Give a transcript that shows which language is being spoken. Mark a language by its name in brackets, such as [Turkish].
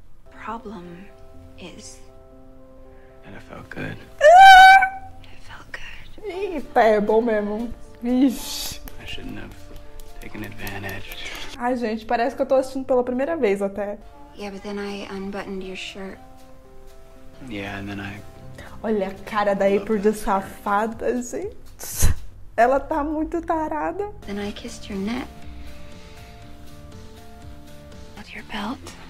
[English] Problem is that it felt good. It felt good. [Portuguese] Eita, é bom mesmo. Vixe. [English] I shouldn't have taken advantage. [Portuguese] Ai, gente, parece que eu tô assistindo pela primeira vez até. [English] Yeah, but then I unbuttoned your shirt. Yeah, and then I. [Portuguese] Olha a cara da April de safada, gente. Ela tá muito tarada. [English] Then I kissed your neck. With your belt.